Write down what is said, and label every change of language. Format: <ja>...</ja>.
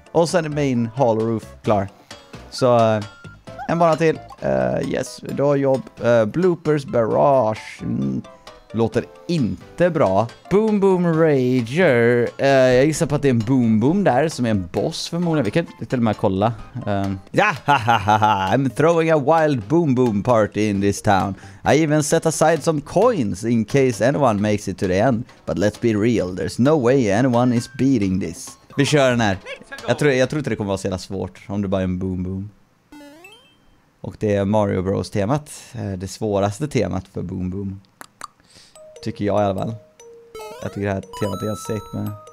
<sv>Och sen är min hall roof klar. Så, en bana till. Yes, då jobb.</sv> <en>Bloopers barrage.</en> <sv>Låter inte bra.</sv> <en>Boom boom rager.</en> <sv>Jag gissar på att det är en boom boom där som är en boss förmodligen. Vi kan till och med kolla.</sv> <en>Ja, I'm throwing a wild boom boom party in this town. I even set aside some coins in case anyone makes it to the end. But let's be real, there's no way anyone is beating this.</en> <sv>Vi kör den här. Jag tror inte det kommer vara så jävla svårt om det bara är en boom boom. Och det är Mario Bros temat. Det svåraste temat för boom boom. Tycker jag i alla fall. Jag tycker det här temat är ganska sikt med.</sv>